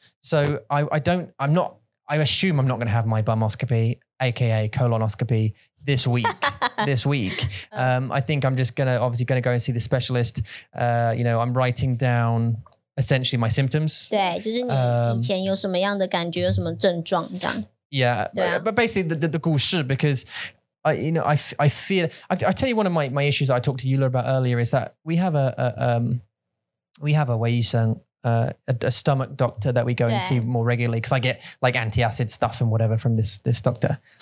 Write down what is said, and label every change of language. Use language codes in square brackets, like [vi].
[en] So I'm not going to have my bumoscopy, aka colonoscopy, this week. This week, I think I'm just gonna go and see the specialist. You know, I'm writing down essentially my symptoms. [zh] 对，就是你以前有什么样的感觉，有什么症状这样。 [en] Yeah, but basically the 故事, because I tell you, one of my issues that I talked to Yula about earlier is that we have a 微医生, a stomach doctor that we go and see more regularly, because I get like anti-acid stuff and whatever from this doctor.